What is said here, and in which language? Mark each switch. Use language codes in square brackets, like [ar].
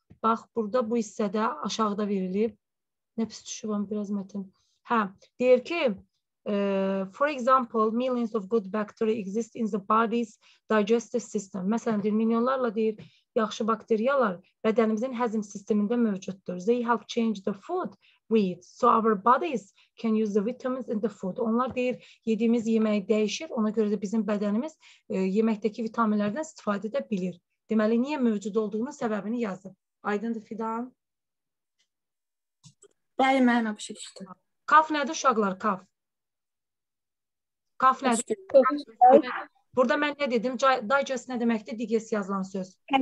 [az] Bax, burada bu hissədə aşağıda verilib. Nə pis düşüb, amma biraz mətin. Hə, deyir ki, [en] for example, millions of good bacteria exist in the body's digestive system. [az] Məsələn, deyir, milyonlarla deyir, yaxşı bakteriyalar bədənimizin həzm sistemində mövcuddur. [en] They help change the food we eat, so our bodies can use the vitamins in the food. [az] Onlar deyir, yediyimiz yeməyi dəyişir, ona görə də bizim bədənimiz yeməkdəki vitaminlərdən istifadə edə bilir. Deməli, niyə mövcud olduğunun səbəbini yazıb. Aydındır, Fidan? Bəli, mənə bu şey düşdü. Kaf nədir uşaqlar, kaf? Kaf nədir? Burada mən nə dedim? Digest nə deməkdir? Digest yazılan söz.